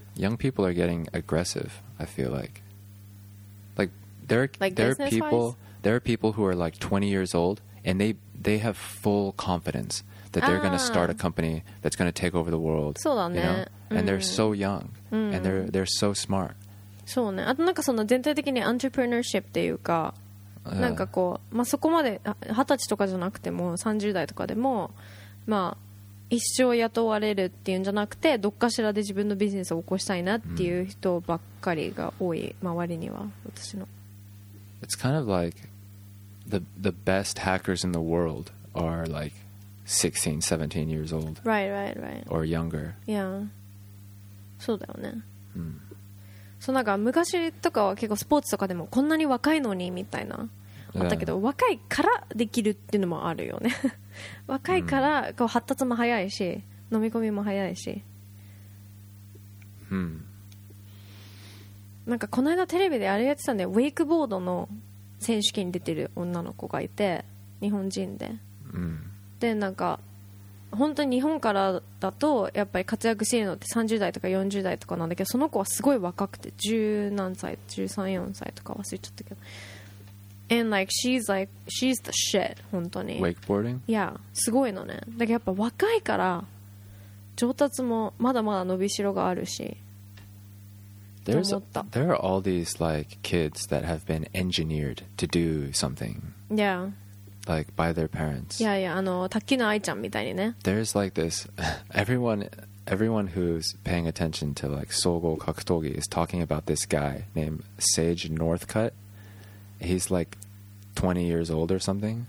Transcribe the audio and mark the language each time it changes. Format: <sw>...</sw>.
<en>Young people are getting aggressive, I feel like. There are people who are like 20 years old and they have full confidence that they're going to start a company that's going to take over the world.</en> <ja>そうだね。</ja> <en>You know? And they're so young and they're so smart.</en> <ja>そうね。あとなんかその全体的にエントレプレナーシップっていうか、なんかこう、まあそこまで二十歳とかじゃなくても30代とかでも、まあ一生雇われるっていうんじゃなくて、どっかしらで自分のビジネスを起こしたいなっていう人ばっかりが多い、周りには。私の</ja> <en>It's kind of like the best hackers in the world are like 16, 17 years old. Right. Or younger.</en> <ja>Yeah. そうだよね。そう、なんか昔とかは結構スポーツとかでもこんなに若いのにみたいなあったけど、若いからできるっていうのもあるよね。若いからこう発達も早いし、飲み込みも早いし。なんかこの間テレビであれやってたんだよ、ウェイクボードの選手権に出てる女の子がいて、日本人で。でなんか本当に日本からだとやっぱり活躍してるのって30代とか40代とかなんだけど、その子はすごい若くて13、14歳とか忘れちゃったけど。</ja> <en>And like, she's the shit,</en> <ja>本当に。</ja> <en>Wakeboarding?</en> <ja>Yeah, すごいのね。だけどやっぱ若いから、上達もまだまだ伸びしろがあるし。</ja> <en>There are all these like kids that have been engineered to do something. Yeah. Like by their parents.</en> <ja>Yeah, yeah, あの、卓球の愛ちゃんみたいにね。</ja> <en>There's like this, everyone who's paying attention to like 総合格闘技 is talking about this guy named Sage Northcutt. He's like 20 years old or something.</en>